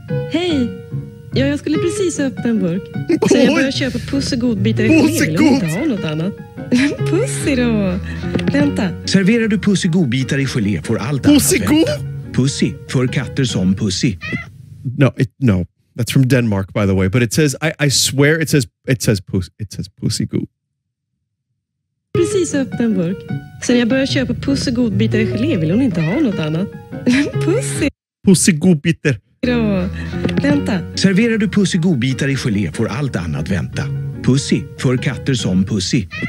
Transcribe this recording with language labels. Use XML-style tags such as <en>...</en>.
<sv>Hey, ja, jag skulle precis öppna en burk. Så jag börjar köpa pussigodbitar i hel och inte ha något annat. Pussy då? Vänta. Serverar du pussigodbitar i gelé får allt annat vänta. Pussigod? Pussy, för katter som pussy.</sv> <en>No. That's from Denmark, by the way. But it says, I swear it says pussigod.</en> <sv>Precis öppna en burk. Sen jag börjar köpa pussigodbitar i gelé vill hon inte ha något annat. Pussy. Pussigodbitar. Vänta. Serverar du pussigodbitar i gelé får allt annat vänta. Pussy, för katter som pussy.</sv>